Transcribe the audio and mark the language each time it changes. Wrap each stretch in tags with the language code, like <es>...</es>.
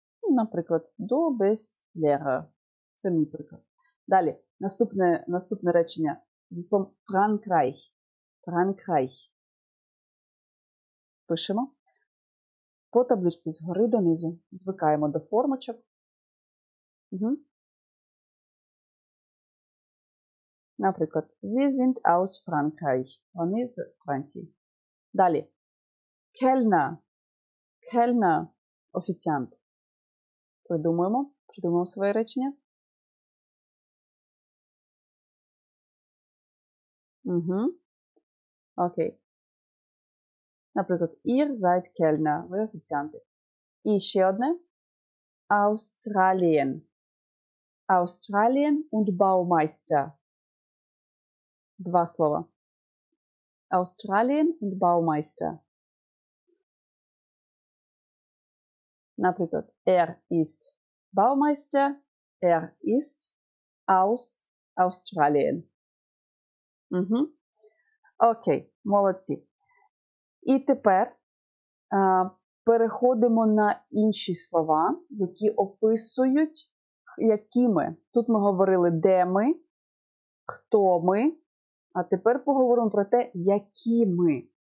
<uk>Наприклад,</uk> <de>«Du bist Lehrer».</de> <uk>Це мій приклад. Далі, наступне речення зі словом Frankreich. Frankreich. Пишемо. По табличці згори донизу. Звикаємо до формочок. Угу. Наприклад,</uk> <de>Sie sind aus Frankreich.</de> <uk>Вони з Франції. Далі. Kellner. Kellner. Офіціант. Придумуємо своє речення. Угу. Окей. Наприклад,</uk> <de>ihr seid Kellner,</de> <uk>ви офіціанти. І ще одне. Australien.</uk> <de>Australien und Baumeister.</de> <uk>Два слова.</uk> <de>Australien und Baumeister.</de> <uk>Наприклад,</uk> <de>ist Baumeister, ist aus Australien.</de> <uk>Угу. Окей, молодці. І тепер переходимо на інші слова, які описують, які ми. Тут ми говорили, де ми, хто ми, а тепер поговоримо про те, які ми.</uk>